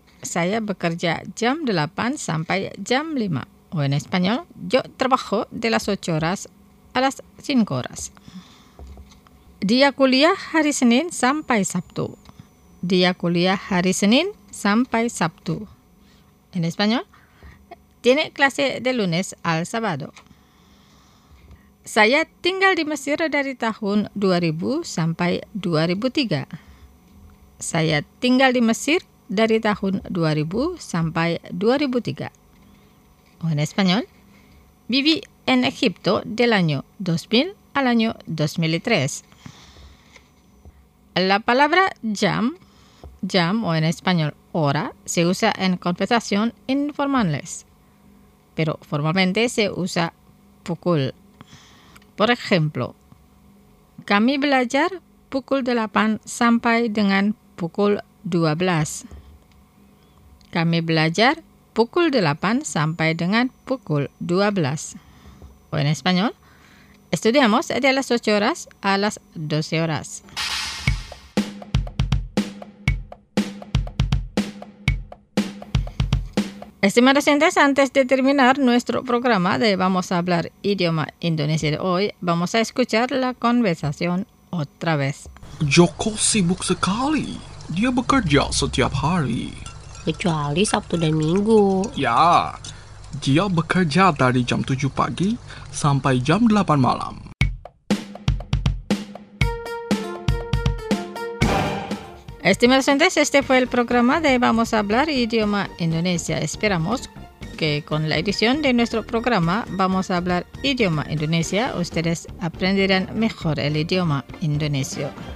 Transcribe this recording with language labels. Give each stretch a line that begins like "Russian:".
Indonesian: Saya bekerja jam 8 sampai jam 5.
Spanish: O en español, yo trabajo de las 8 horas a las 5 horas.
Indonesian: Dia kuliah hari Senin sampai Sabtu. Dia kuliah hari Senin sampai Sabtu.
Spanish: En español, tiene clase de lunes al sábado.
Indonesian: Saya tinggal di Mesir dari tahun 2000 sampai 2003. Saya tinggal di Mesir dari tahun 2000 sampai 2003.
Spanish: En español, viví en Egipto del año 2000 al año 2003. La palabra jam, o en español hora, se usa en conversación informales, pero formalmente se usa pukul. Por ejemplo,
Indonesian: kami belajar pukul 8 sampai dengan pukul 12. Kami belajar pukul 8 sampai dengan pukul 12.
Spanish: O en español, estudiamos de las 8 horas a las 12 horas. Estimados oyentes, antes de terminar nuestro programa de Vamos a hablar idioma indonesio de hoy, vamos a escuchar la conversación otra vez.
Indonesian: Joko sibuk sekali. Dia bekerja setiap hari. Kecuali Sabtu dan Minggu. Ya, dia bekerja dari jam 7 pagi sampai jam 8 malam. Oke,
Spanish: Estimados oyentes, este fue el programa de Vamos a hablar idioma Indonesia. Esperamos que con la edición de nuestro programa Vamos a hablar idioma Indonesia, ustedes aprenderán mejor el idioma indonesio.